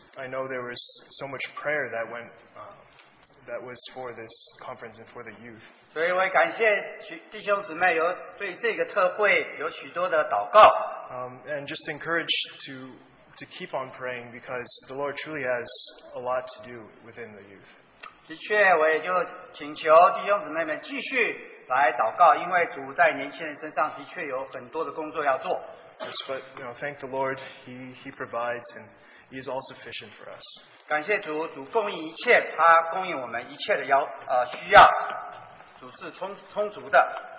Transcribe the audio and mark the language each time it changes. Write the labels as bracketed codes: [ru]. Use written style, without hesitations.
[en] I know there was so much prayer that went, that was for this conference and for the youth. And just encourage to keep on praying, because the Lord truly has a lot to do within the youth. [zh] 的确，我也就请求弟兄姊妹们继续来祷告，因为主在年轻人身上的确有很多的工作要做。 [en] Yes, but you know, thank the Lord, He provides and He is all sufficient for us. [zh] 感谢主，主供应一切，他供应我们一切的需要，主是充足的。